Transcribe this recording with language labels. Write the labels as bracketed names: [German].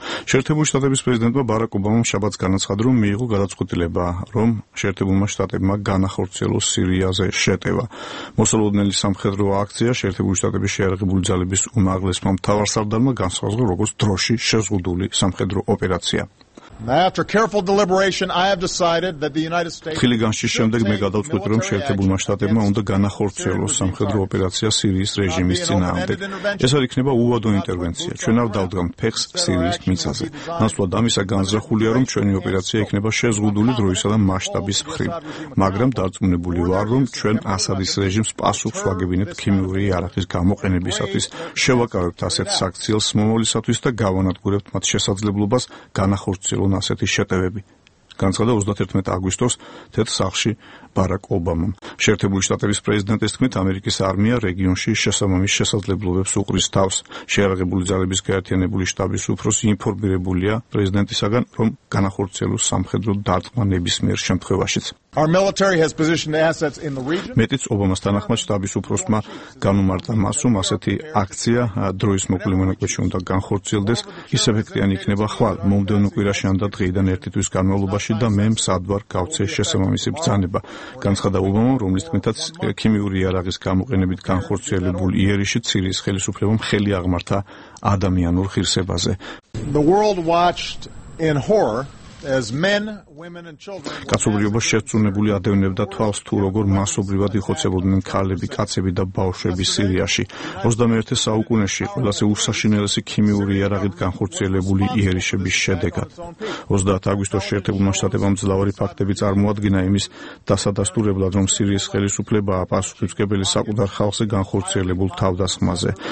[Georgian] შეერთებული შტატების პრეზიდენტმა ბარაკ ობამამ შაბათს განაცხადა, რომ მიიღო გადაწყვეტილება, რომ შეერთებულმა შტატებმა განახორციელოს სირიაზე შეტევა. მოსალოდნელი სამხედრო აქცია შეერთებული შტატების შეიარაღებული ძალების უმაღლესმა მთავარსარდალმა განსხვავდა, როგორც დროში შეზღუდული სამხედრო ოპერაცია. [English] After careful deliberation I have decided that the United States [Georgian] ხილიგანში შემდეგ მე გადავწყვეტ რომ შეერთებულმა შტატებმა უნდა განახორციელოს სამხედრო ოპერაცია სირიის რეჟიმის წინააღმდეგ. ეს არ იქნება უვადო ინტერვენცია, ჩვენ არ დავდგამთ ფეხს სირიის მიწაზე. ნაცვლად ამისა განზრახულია რომ ჩვენი ოპერაცია იქნება შეზღუდული დროისა და მასშტაბის მხრივ, მაგრამ დარწმუნებული ვარ რომ ჩვენ ასადის რეჟიმს პასუხს ვაგებინებთ ქიმიური იარაღის გამოყენებისათვის, შევაკავებთ ასეთ საქციელს მომავლისათვის და გავანადგურებთ მათ შესაძლებლობას განახორციელოს რომ ასეთი შეტევები განცხადა 31 აგვისტოს თეთრ სახლში ბარაკ ობამამ. შეერთებული შტატების პრეზიდენტის თქმით, ამერიკის არმია რეგიონში შესაბამის შესაძლებლობებს უყრის თავს. შეერაღებული ძალების გაერთიანებული შტაბის უფროსი ინფორმირებულია პრეზიდენტისაგან, რომ განახორციელოს სამხედრო დარტყმა ნებისმიერ შემთხვევაშიც. [English] Our military has positioned assets in the region. [Georgian] მეტიც ობამას თანახმად შტაბის უფროსმა განუმარტა მას, რომ ასეთი აქცია დროის მოკლე მონაკვეთში უნდა განხორციელდეს, ის ეფექტიანი იქნება ხვალ მომდევნო კვირაში ან და დღიდან ერთი თვის განმავლობაში და მე მსადვარ გავცე შესაბამისი ბრძანება. განცხადა ობამამ, რომლის თქმითაც ქიმიური იარაღის გამოყენებით განხორციელებულ იერიში სირიის ხელისუფლებამ ხელი აღმართა ადამიანურ ღირსებაზე. [English] The world watched in horror as men, women and children. [Georgian] კაცობრიობა შეცუნებული ადევნებდა თვალს, თუ როგორ მასობრივად იხოცებოდნენ ქალები, კაცები და ბავშვები სირიაში. 21 საუკუნეში ყველაზე უსაშინელესი ქიმიური იარაღით განხორციელებული იერიშების შედეგად. 30 აგვისტოს შეერთებულმა შტატებმა მძლავრი ფაქტები წარმოადგინა იმის დასადასტურებლად, რომ სირიის ხელისუფლება პასუხისმგებელი საკუთარ ხალხზე განხორციელებულ თავდასხმაზე.